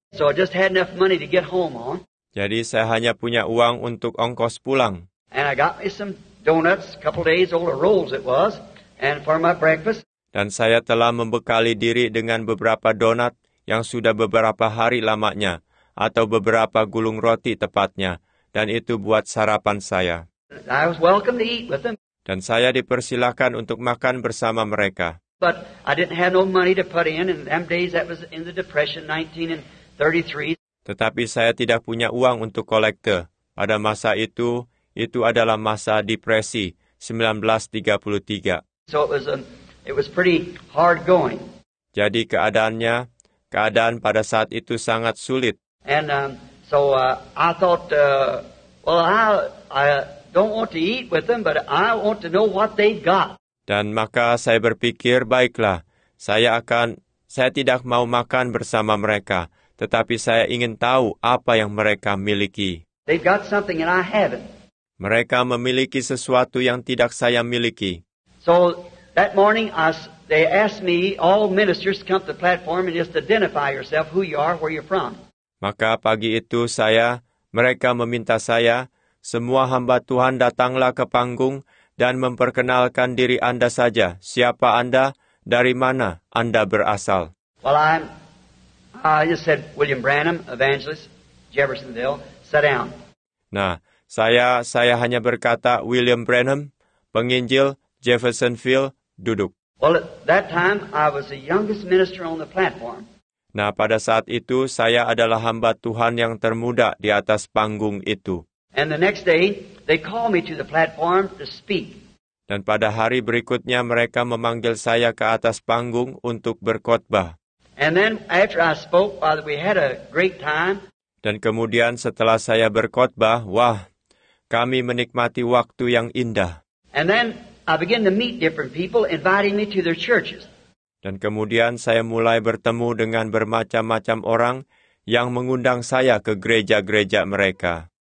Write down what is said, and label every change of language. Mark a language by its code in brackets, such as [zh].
[en] So I just had enough money to get home on. [id] Jadi saya hanya punya uang untuk ongkos pulang. [en] And I got me some donuts, a couple days old, or rolls it was, and for my breakfast. [id] Dan saya telah membekali diri dengan beberapa donat yang sudah beberapa hari lamanya, atau beberapa gulung roti tepatnya, dan itu buat sarapan saya. [en] I was welcome to eat with them. [id] Dan saya dipersilakan untuk makan bersama mereka. [en] But I didn't have no money to put in them days that was in the depression 1933. [id] Tetapi saya tidak punya uang untuk kolekte. Pada masa itu, itu adalah masa depresi 1933. [en] So it was pretty hard going. [id] Jadi keadaan pada saat itu sangat sulit. [en] And I thought I don't want to eat with them but I want to know what they got. [id] Dan maka saya berpikir, baiklah, saya tidak mau makan bersama mereka, tetapi saya ingin tahu apa yang mereka miliki. [en] They've got something and I haven't. [id] Mereka memiliki sesuatu yang tidak saya miliki. [en] So that morning they asked me, all ministers come to the platform and just identify yourself, who you are, where you're from. [id] Maka pagi itu mereka meminta saya, semua hamba Tuhan datanglah ke panggung dan memperkenalkan diri Anda saja, siapa Anda, dari mana Anda berasal. [en] Well, I just said William Branham, evangelist, Jeffersonville, sit down. [id] Nah, saya hanya berkata William Branham, penginjil, Jeffersonville, duduk. [en] Well, at that time, I was the youngest minister on the platform. [id] Nah, pada saat itu, saya adalah hamba Tuhan yang termuda di atas panggung itu. [en] And the next day, they call me to the platform to speak. [id] Dan pada hari berikutnya, mereka memanggil saya ke atas panggung untuk berkhotbah. [en] And then after I spoke, we had a great time. [id] Dan kemudian setelah saya berkhotbah, wah, kami menikmati waktu yang indah. [en] And then I began to meet different people, inviting me to their churches. [id] Dan kemudian saya mulai bertemu dengan bermacam-macam orang yang mengundang saya ke gereja-gereja mereka.